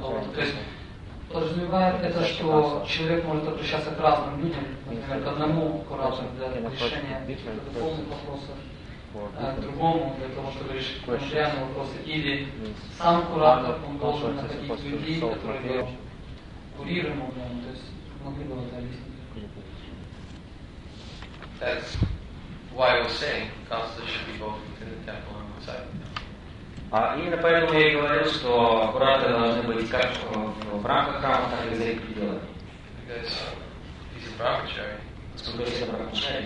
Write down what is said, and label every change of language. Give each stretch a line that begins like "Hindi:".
Russian: То есть подразумевает это, что человек может обращаться к разным людям, например, к одному куратору для решения духовных вопросов, а к другому для того, чтобы решить материальные вопросы. Или сам куратор, он должен на таких людей, которые курируемы, то есть могли бы это объяснить.
English: That's why I was saying counselors should be both within the temple and outside the temple.
Russian: Именно поэтому я и говорил, что кураторы должны быть как в рамках храма, так и за их пределами.
English: Because he's a brahmachari.
Russian: Сколько есть брахмачари,